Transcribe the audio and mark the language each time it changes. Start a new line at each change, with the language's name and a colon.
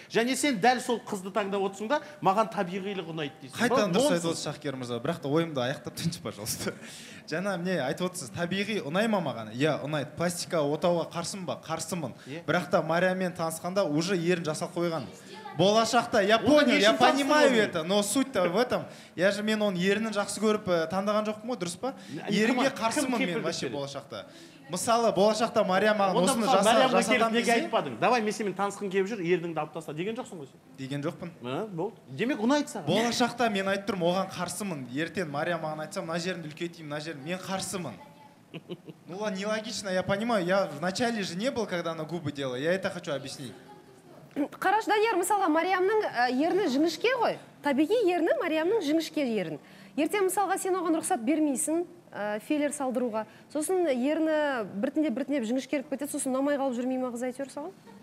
Kazakh: Және сен дәл сол қызды таңдап отырсың да, маған табиғилығы ұнайды дейсің. Қайтадан дұрыс айтып отырсыз Шахкер мырза, бірақ та ойымды аяқтап тыңдашы, пожалуйста. Жаңа міне айтып отырсыз, табиғи ұнай ма маған? Иә, ұнайды. Пластика отауға қарсымын ба? Қарсымын. Бірақ та Мариямен танысқанда уже ерін жасап қойған.
Russian: Болашақта Япония, я понимаю это, но суть-то в этом. Я же
Kazakh: мен оның ерінін жақсы көріп таңдаған жоқпын ғой, дұрыс па? Ерінге қарсымын мен вообще болашақта. Мысалы, болашақта Мариям маған осыны жасатам деген айтпадың. Давай мен сенімен танысқым келіп жүр, еріңді алып таста деген жоқсың ғой сен. Деген жоқпын. Болды. Демек ұнайды саған. Болашақта мен айтып тұрмын, оған қарсымын. Ертең Мариям маған айтса, мына жерімді үлкейтейін, мына жерімді, мен қарсымын.
Russian: Ну ладно, нелогично, я понимаю, я вначале же не был, когда она губы делала, я это хочу объяснить.
Kazakh: Қараш, Данияр, мысалға Мариямның еріні жіңішке ғой. Табиғи еріні Мариямның жіңішке ерін. Ертең мысалға сен оған рұқсат бермейсің филлер салдыруға. Сосын еріні біртіндеп жіңішкеріп кетеді, сосын ұнамай қалып жүрмей ма қыз әйтеуір саған?